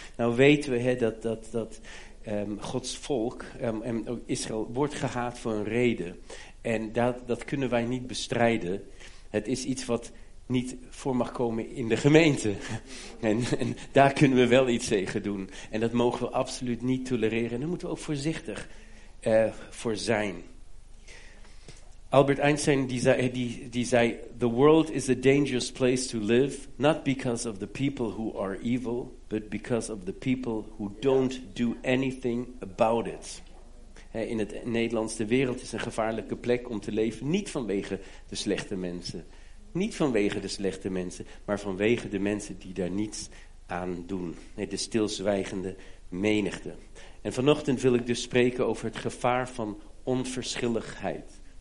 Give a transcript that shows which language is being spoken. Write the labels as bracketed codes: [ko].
[nl] Nou weten we dat Gods volk, Israël, wordt gehaat voor een reden. En dat kunnen wij niet bestrijden. Het is iets wat niet voor mag komen in de gemeente. En daar kunnen we wel iets tegen doen. En dat mogen we absoluut niet tolereren. En daar moeten we ook voorzichtig voor zijn. [en] Albert Einstein [nl] die zei, [en] the world is a dangerous place to live, not because of the people who are evil, but because of the people who don't do anything about it. [nl] In het Nederlands, de wereld is een gevaarlijke plek om te leven, niet vanwege de slechte mensen. Niet vanwege de slechte mensen, maar vanwege de mensen die daar niets aan doen. De stilzwijgende menigte. En vanochtend wil ik dus spreken over het gevaar van onverschilligheid.